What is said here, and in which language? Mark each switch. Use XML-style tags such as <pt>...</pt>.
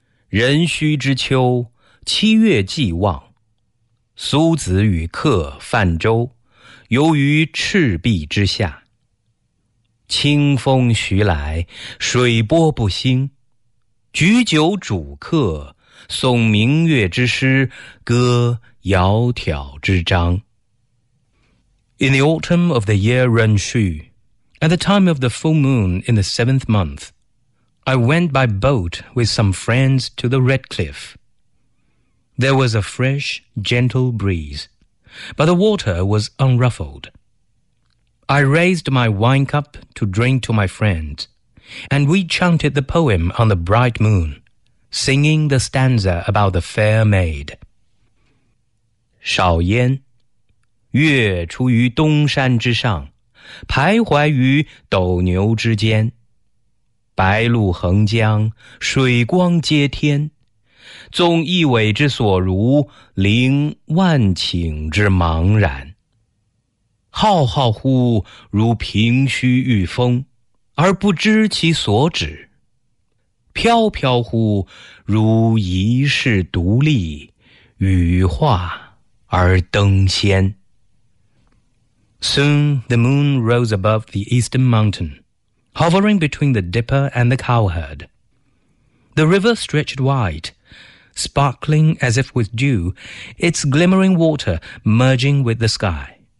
<zh>壬戌之秋，七月既望，苏子与客泛舟，游于赤壁之下。清风徐来，水波不兴，举酒煮客，诵明月之诗，歌窈窕之章。</zh> <en>In the autumn of the year Renshu, at the time of the full moon in the seventh month, I went by boat with some friends to the Red Cliff. There was a fresh, gentle breeze, but the water was unruffled. I raised my wine cup to drink to my friends,And we chanted the poem on the bright moon, singing the stanza about the fair maid.</en> <zh>少焉，月出于东山之上，徘徊于斗牛之间。白露横江，水光接天，纵一苇之所如，凌万顷之茫然。浩浩乎如凭虚御风，而不知其所止，飘飘乎如遗世独立，羽化而登仙。</zh> <en>Soon the moon rose above the eastern mountain, hovering between the dipper and the cowherd. The river stretched wide, sparkling as if with dew, its glimmering water merging with the sky.</en>